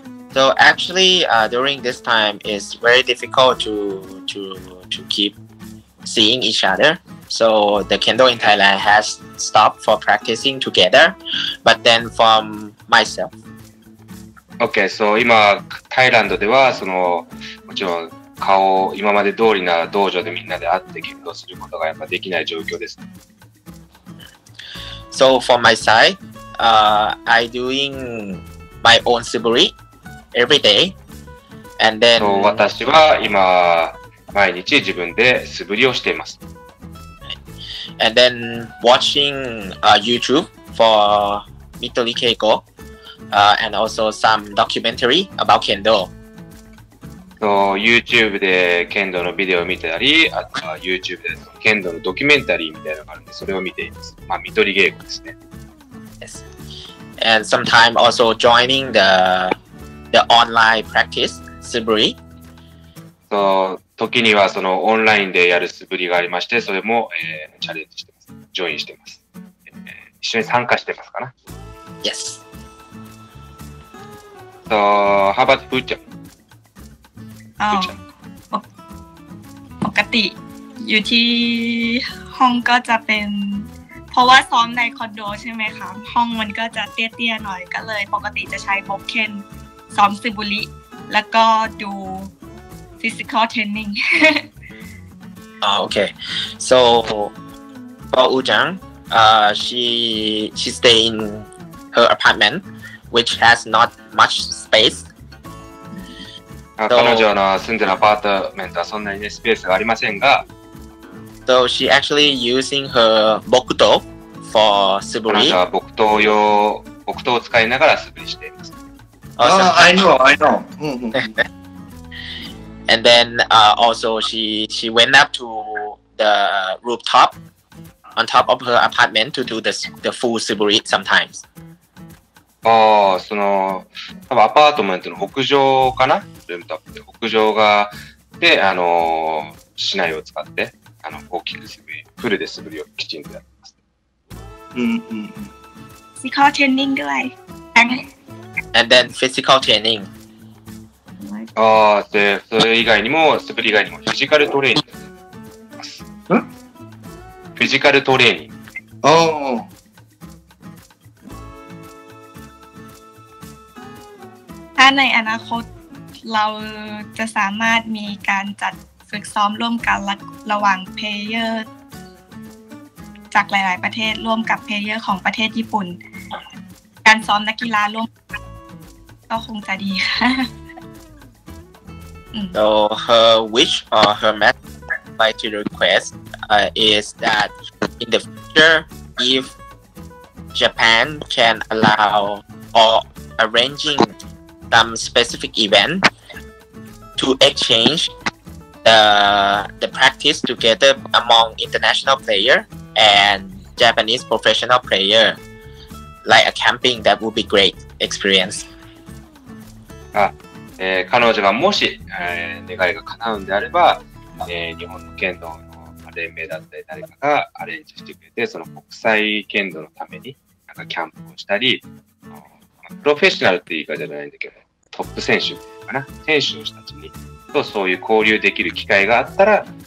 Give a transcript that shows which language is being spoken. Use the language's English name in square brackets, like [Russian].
[English] So actually, during this time, it's very difficult to keep seeing each other. So the Kendo in Thailand has stopped for practicing together, but then from myself. Okay, so [Japanese] 今タイランドではそのもちろん顔を今まで通りな道場でみんなで会って剣道することがやっぱできない状況です。 [English] So from my side, I doing my own siburi every day, and then. [Japanese] So 私は今毎日自分で素振りをしています。 [English] And then watching YouTube for Mitoli Keiko, and also some documentary about Kendo. [Japanese] So YouTube で Kendo のビデオを見てたり、あとは YouTube で Kendo のドキュメンタリーみたいなのがあるんで、それを見ています。まあ、Mitoli Keiko ですね。 [English] Yes. And sometimes also joining the online practice, Suburi. [Japanese] So,時にはそのオンラインでやる素振りがありまして、それも、チャレンジしてます。ジョインしてます、一緒に参加してますかな [English] Yes. So, how about プーちゃん、 [Thai] ปกติอยู่ที่ห้องก็จะเป็นเพราะว่าซ้อมในคอนโดใช่ไหมคะห้องมันก็จะเตี้ยๆหน่อยก็เลยปกติจะใช้พกเคนซ้อมซึบุริแล้วก็ดูphysical training. [English] okay. So for Ujang, she stay in her apartment which has not much space. [Japanese] 彼女の住んでるアパートメントはそんなにスペースがありませんが。 [English] So she actually using her bokuto for suburi. [Japanese] 彼女は bokuto を使いながら素振りしています。 [English] Awesome. I know. And then also she went up to the rooftop on top of her apartment to do the full suburi sometimes. [Japanese] Oh, その多分アパートメントの屋上かな、ルームトップで屋上がで市内を使って大きく素振りフルで素振りをきちんとやってます。 Physical training ぐらい。 [English] And then physical training. [Japanese] でそれ以外にも、素振り以外にもフィジカルトレーニング。フィジカルトレーニング。 [Thai] ถ้าในอนาคตเราจะสามารถมีการจัดฝึกซ้อมร่วมกันระหว่างเพลเยอร์จากหลายๆประเทศร่วมกับเพลเยอร์ของประเทศญี่ปุ่นการซ้อมนักกีฬาร่วมก็คงจะดีค่ะ [English] So her wish or her message to request is that in the future, if Japan can allow or arranging some specific event to exchange the practice together among international player and Japanese professional player, like a camping, that would be great experience. Ah. [Japanese] 彼女がもし、願いが叶うんであれば、日本の剣道の連盟だったり誰かがアレンジしてくれて、その国際剣道のためになんかキャンプをしたり、プロフェッショナルって言い方じゃないんだけど、トップ選手かな、選手の人たちにとそういう交流できる機会があったら、